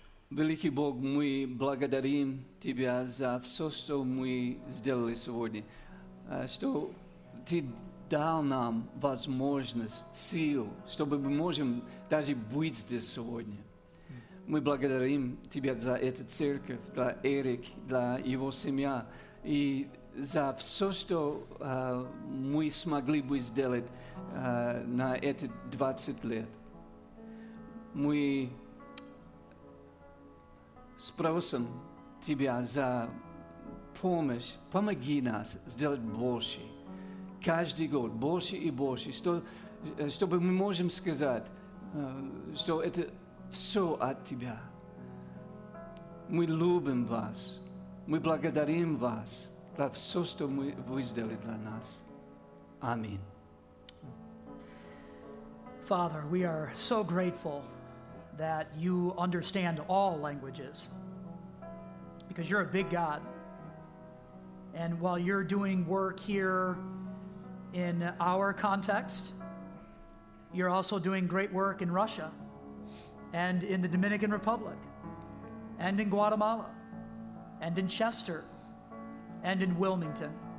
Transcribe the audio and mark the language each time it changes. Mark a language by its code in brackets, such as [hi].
[uk] Великий Бог, ми [ru] благодарим тебя [uk] за все, що ми зробили сьогодні, що ти дав нам можливість, силу, щоб ми можемо навіть бути [ru] здесь [uk] сьогодні. Ми [ru] благодарим тебя [uk] за цю церковь, за Ерік, за його сім'я і за все, що ми змогли би зробити на ці 20 років. [ru] Ми спросим тебя за помощь, помоги нас сделать больше, каждый год больше и больше, чтобы мы можем сказать, что это все от тебя. Мы любим вас, мы благодарим вас за все, что вы сделали для нас. Аминь. [en] Father, we are so grateful that you understand all languages, because you're a big God. And while you're doing work here in our context, you're also doing great work in Russia and in the Dominican Republic and in Guatemala and in Chester and in Wilmington.